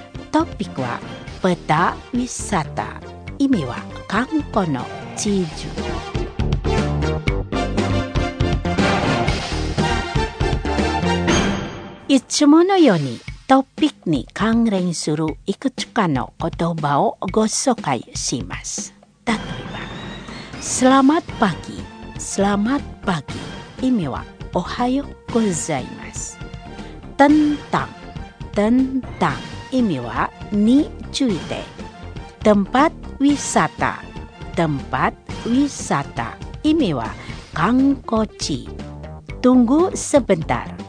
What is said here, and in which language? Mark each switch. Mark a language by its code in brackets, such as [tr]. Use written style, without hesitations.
[ja] トピックはプタウィサタ、意味は観光の地図。いつものようにトピックに関連するいくつかの言葉をご紹介します。 [id] 例えば、Selamat pagi. Selamat pagi. [ja] 意味はおはようございます。 [id] Tentang. Tentang. [ja] 意味はについて。 [id] Tempat wisata. Tempat wisata. [ja] 意味は観光地。 [id] Tunggu sebentar.